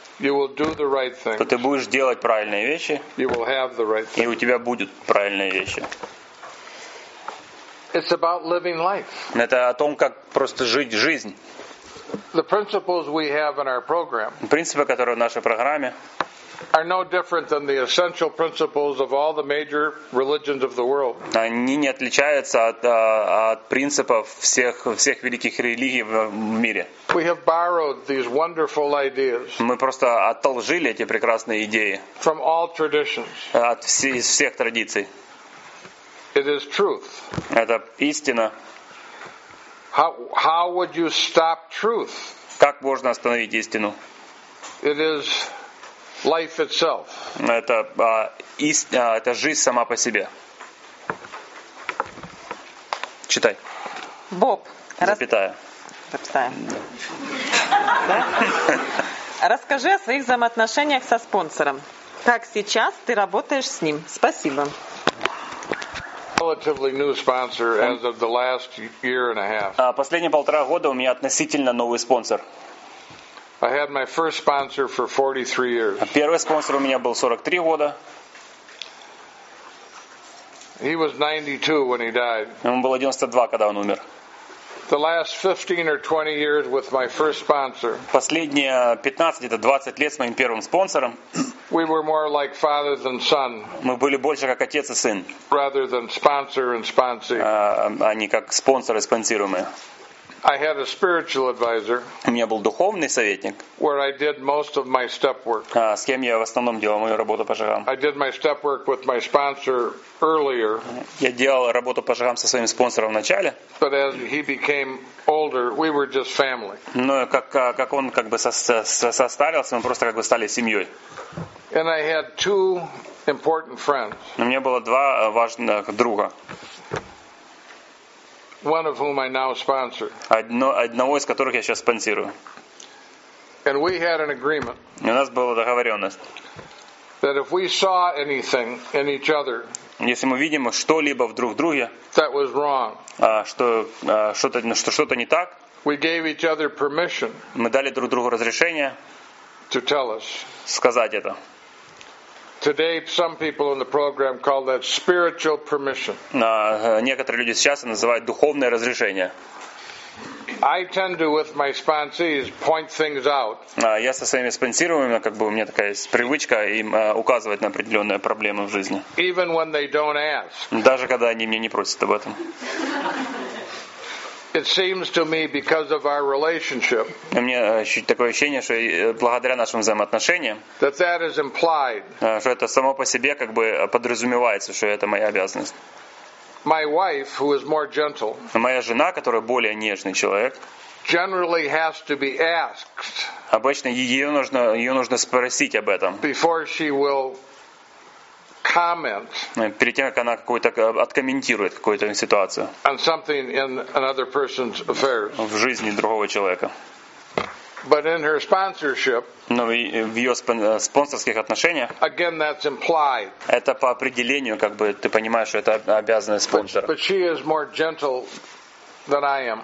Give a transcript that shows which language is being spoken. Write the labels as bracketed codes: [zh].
[en] you will do the right things, [ru] то ты будешь делать правильные вещи, [en] you will have the right things, [ru] и у тебя будут правильные вещи. [en] It's about living life. [ru] Это о том, как просто жить жизнь. [en] The principles we have in our program, [ru] принципы, которые в нашей программе, [en] are no different than the essential principles of all the major religions of the world. [ru] Они не отличаются от принципов всех великих религий в мире. [en] We have borrowed these wonderful ideas. [ru] Мы просто одолжили эти прекрасные идеи. [en] From all traditions. [ru] Из всех традиций. [en] It is truth. [ru] Это истина. [en] How would you stop truth? [ru] Как можно остановить истину? [en] It is life itself. [ru] Это жизнь сама по себе. Читай. Боб. Запятая. Расскажи о своих взаимоотношениях со спонсором. Как сейчас ты работаешь с ним? Спасибо. [en] Relatively new sponsor as of the last year and a half. [ru] Последние полтора года у меня относительно новый спонсор. [en] I had my first sponsor for 43 years. [ru] Первый спонсор у меня был 43 года. [en] He was 92 when he died. [ru] Ему было 92, когда он умер. [en] The last 15 or 20 years with my first sponsor. [ru] Последние 15 это 20 лет с моим первым спонсором. [en] We were more like father than son. [ru] Мы были больше как отец и сын. [en] Rather than sponsor and sponsee. [ru] А не как спонсор и спонсируемые. [en] I had a spiritual advisor. [ru] У меня был духовный советник. [en] Where I did most of my step work. [ru] С кем я в основном делал мою работу по шагам. [en] I did my step work with my sponsor earlier. [ru] Я делал работу по шагам со своим спонсором в начале. [en] But as he became older, we were just family. [ru] Но как он как бы состарился, мы просто как бы стали семьей. [en] And I had two important friends. [ru] У меня было два важных друга. [en] One of whom I now sponsor. [ru] Одного из которых я сейчас спонсирую. [en] And we had an agreement. [ru] У нас была договоренность. [en] That if we saw anything in each other. [ru] Если мы видим что-либо в друг друге. [en] That was wrong. [ru] Что-то не так. [en] We gave each other permission. [ru] Мы дали друг другу разрешение. [en] To tell us. [ru] Сказать это. [en] Today some people in the program call that spiritual permission. [ru] Некоторые люди сейчас называют духовное разрешение. [en] I tend to with my sponsees point things out. [ru] Я со своими спонсируемыми как бы у меня такая есть привычка им указывать на определенные проблемы в жизни. [en] Even when they don't ask. [ru] Даже когда они меня не просят об этом. [en] It seems to me because of our relationship. [ru] У меня такое ощущение, что благодаря нашим взаимоотношениям. [en] That is implied. [ru] Что это само по себе как бы подразумевается, что это моя обязанность. [en] My wife, who is more gentle. [ru] Моя жена, которая более нежный человек. [en] Generally has to be asked. [ru] Обычно ее нужно спросить об этом. [en] Before she will comment. [ru] Перед тем, как она какую-то откомментирует какую-то ситуацию. [en] On something in another person's affairs. [ru] В жизни другого человека. [en] But in her sponsorship. [ru] Но в ее спонсорских отношениях. [en] Again, that's implied. [ru] Это по определению, как бы ты понимаешь, что это обязанность спонсора. [en] But she is more gentle than I am.